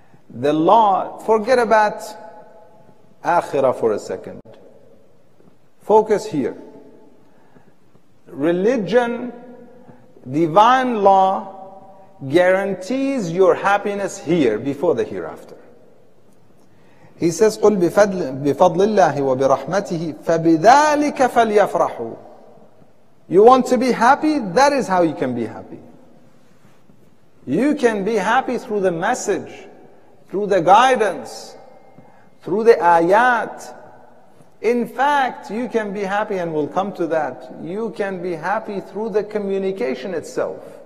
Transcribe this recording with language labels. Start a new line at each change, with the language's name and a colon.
English: The law, forget about akhirah for a second. Focus here. Religion, divine law, guarantees your happiness here before the hereafter. He says,
Arabic: قُلْ بِفَضْلِ اللَّهِ وَبِرَحْمَتِهِ فَبِذَٰلِكَ فَلْيَفْرَحُوا.
English: You want to be happy? That is how you can be happy. You can be happy through the message, through the guidance, through the ayat. In fact, you can be happy, and we'll come to that. You can be happy through the communication itself.